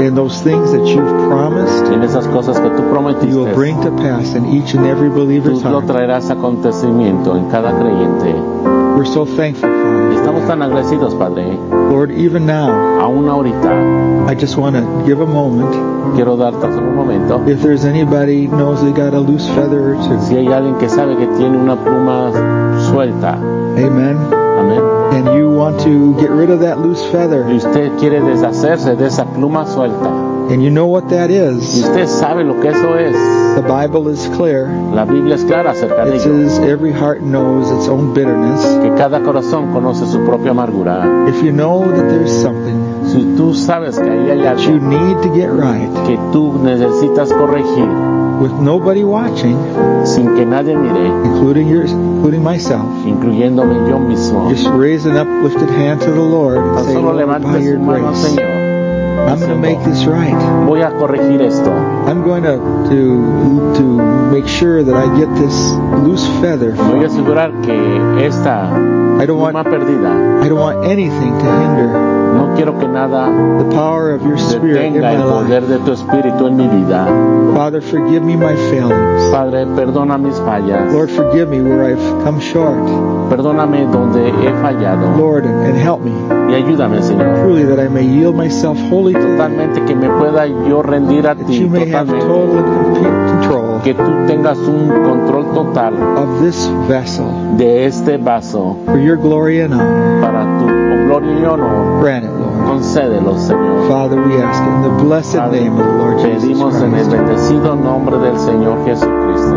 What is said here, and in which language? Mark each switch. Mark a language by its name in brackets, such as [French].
[English] And those things that you've promised, [Spanish] en esas cosas que tú prometiste, [English] you will bring to pass in each and every believer's heart. [Spanish] Tú lo traerás acontecimiento en cada creyente. [English] We're so thankful, Father. [Spanish] Estamos tan agradecidos, Padre. [English] Lord, even now, [Spanish] aún ahorita, [English] I just want to give a moment. [Spanish] Quiero darte un momento. [English] If there's anybody knows they got a loose feather or two, [Spanish] si hay alguien que sabe que tiene una pluma suelta. [English] Amen. And you want to get rid of that loose feather. [Spanish] Y usted quiere deshacerse de esa pluma suelta. [English] And you know what that is. [Spanish] Y usted sabe lo que eso es. [English] The Bible is clear. [Spanish] La Biblia es clara acerca [English] it [Spanish] de ello. [English] It says every heart knows its own bitterness. [Spanish] Que cada corazón conoce su propia amargura. [English] If you know that there's something. [Spanish] Si tú sabes que ahí hay algo. [English] That you need to get right. [Spanish] Que tú necesitas corregir. [English] With nobody watching, [Spanish] sin que nadie mire, [English] including myself, [Spanish] incluyéndome yo mismo, [English] just raise an uplifted hand to the Lord and say, Lord, by your grace, [Spanish] Señor, [English] I'm going to make this right. [Spanish] Voy a corregir esto. [English] I'm going to make sure that I get this loose feather. [Spanish] Voy a asegurar que esta pluma perdida. [English] I don't want anything to hinder. [Spanish] No quiero que nada [English] the power of your spirit [Spanish] detenga [English] in my [Spanish] el poder [English] life. [Spanish] De tu espíritu en mi vida. [English] Father, forgive me my failings. [Spanish] Padre, perdona mis fallas. [English] Lord, forgive me where I've come short. [Spanish] Perdóname donde he fallado. [English] Lord, and help me. [Spanish] Y ayúdame, Señor. [English] Truly that I may yield myself wholly to [Spanish] totalmente que me pueda yo rendir a [English] that [Spanish] ti [English] you may [Spanish] totalmente. [English] Have total and complete control [Spanish] que tú tengas un control total [English] of this vessel [Spanish] de este vaso [English] for your glory and honor. [Spanish] Para tu gloria y honor. [English] Grant it, Lord. [Spanish] Concédelo, Señor. [English] Father, we ask in the blessed [Spanish] Padre, [English] name of the Lord Jesus Christ. [Spanish] Pedimos en el bendecido nombre del Señor Jesucristo.